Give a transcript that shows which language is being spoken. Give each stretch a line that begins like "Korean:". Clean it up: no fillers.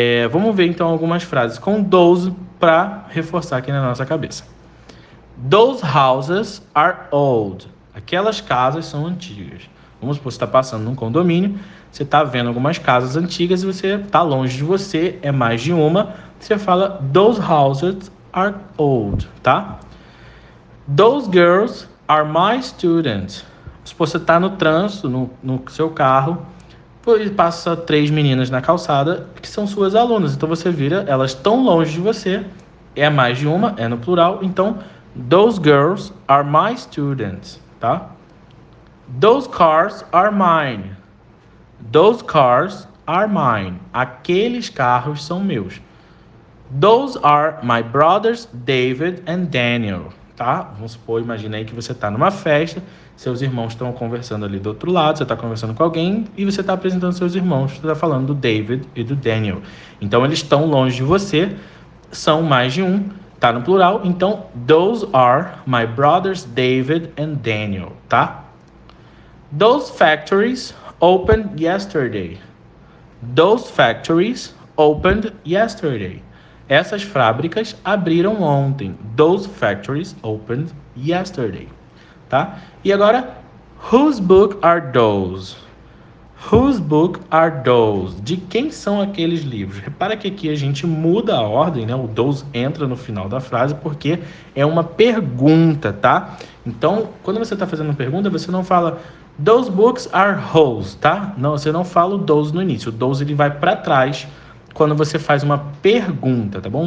Portuguese: Vamos ver então algumas frases com those para reforçar aqui na nossa cabeça.
English: Those houses are old.
Portuguese: Aquelas casas são antigas. Vamos supor que você está passando num condomínio, você está vendo algumas casas antigas e você está longe de você, é mais de uma. Você fala:
English: those houses are old, tá? Those girls are my students.
Portuguese: Vamos supor que você está no trânsito, no seu carro. Pois passa três meninas na calçada que são suas alunas. Então você vira, elas estão longe de você. É mais de uma, é no plural. Então,
English: those girls are my students, tá? Those cars are mine. Those cars are mine.
Portuguese: Aqueles carros são meus.
English: Those are my brothers, David and Daniel, tá?
Portuguese: Vamos supor, imagine aí que você está numa festa. Seus irmãos estão conversando ali do outro lado, você está conversando com alguém e você está apresentando seus irmãos, você está falando do David e do Daniel. Então, eles estão longe de você, são mais de um, está no plural.
English: Então, those are my brothers, David and Daniel, tá? Those factories opened yesterday. Those factories opened yesterday.
Portuguese: Essas fábricas abriram ontem.
English: Those factories opened yesterday.
Portuguese: Tá? E agora,
English: whose book are those? Whose book are those?
Portuguese: De quem são aqueles livros? Repara que aqui a gente muda a ordem, né? O those entra no final da frase porque é uma pergunta, tá? Então, quando você está fazendo uma pergunta, você não fala
English: those books are whose,
Portuguese: tá? Não, você não fala o those no início. O those ele vai para trás quando você faz uma pergunta, tá bom?